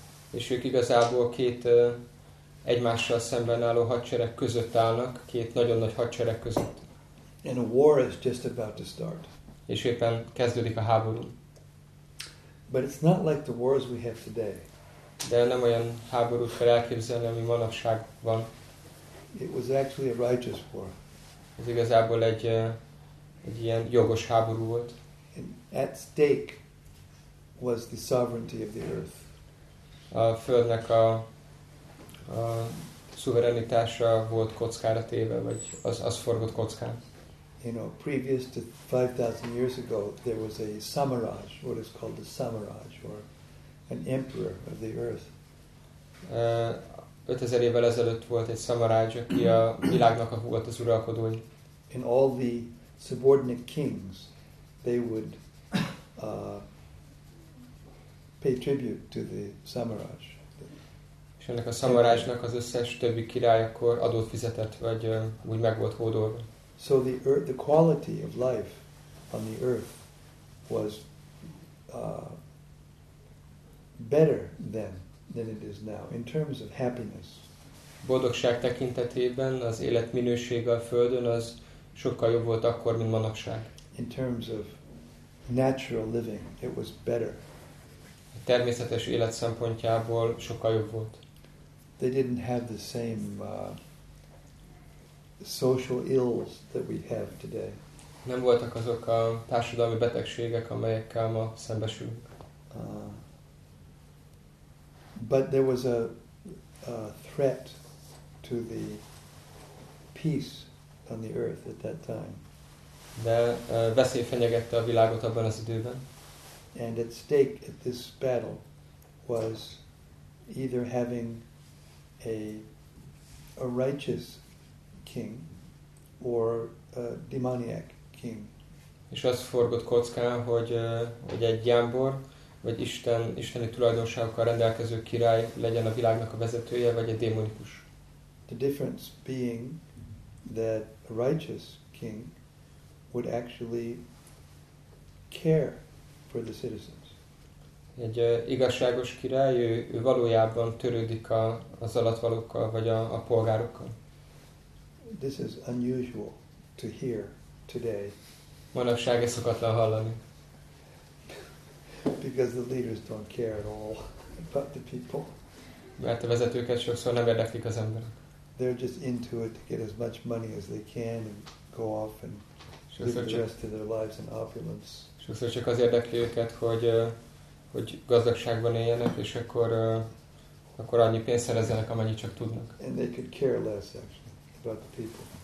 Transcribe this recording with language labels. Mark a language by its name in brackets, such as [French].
[Hungarian] És ők igazából két egymással szemben álló hadsereg között állnak, két nagyon nagy hadsereg között. [English] And a war is just about to start. [Hungarian] És éppen kezdődik a háború. [English] But it's not like the wars we have today. [Hungarian] De nem olyan háborút kell elképzelni, ami manapság van. [English] It was actually a righteous war. [Hungarian] Ez igazából egy ilyen jogos háború volt. [English] And at stake was the sovereignty of the earth. [Hungarian] A földnek a szuverenitása volt kockára téve, vagy az forgott kockán. [English] You know, previous to 5,000 years ago, there was a samaraj, what is called a samaraj, or an emperor of the earth. [Hungarian] 5000 évvel ezelőtt volt egy samaraj, aki a világnak a volt az uralkodói. [English] And all the subordinate kings, they would pay tribute to the samaraj. [Hungarian] És ennek a samarajnak az összes többi király akkor adót fizetett, vagy úgy meg volt hódolva. [English] So the earth, the quality of life on the earth was better than it is now in terms of happiness. [Hungarian] Boldogság tekintetében az élet minősége a földön az sokkal jobb volt akkor, mint manapság. [English] In terms of natural living, it was better. [Hungarian] A természetes élet szempontjából sokkal jobb volt. [English] They didn't have the same social ills that we have today. [Hungarian] Nem voltak azok a társadalmi betegségek, amelyekkel ma szembesülünk. [English] But there was a threat to the peace on the earth at that time. [Hungarian] De veszély fenyegette a világot abban az időben. [English] And at stake at this battle was either having a righteous king or a demoniac king. [Hungarian] És az forgott kockán, hogy egy gyámbor, vagy isteni tulajdonságokkal rendelkező király legyen a világnak a vezetője, vagy egy démonikus. [English] The difference being that a righteous king would actually care for the citizens. [Hungarian] Egy igazságos király, ő valójában törődik az alattvalókkal, vagy a polgárokkal. [English] This is unusual to hear today. [Hungarian] Manapság ezt szokatlan hallani. [English] Because the leaders don't care at all about the people. [Hungarian] Mert a vezetőket sokszor nem érdeklik az emberek. [English] They're just into it to get as much money as they can and go off and live the rest of their lives in opulence. [Hungarian] Sokszor csak az érdekli őket, hogy gazdagságban éljenek, és akkor annyi pénzt szerezzenek, amennyit csak tudnak. [English] And they could care less actually about the people.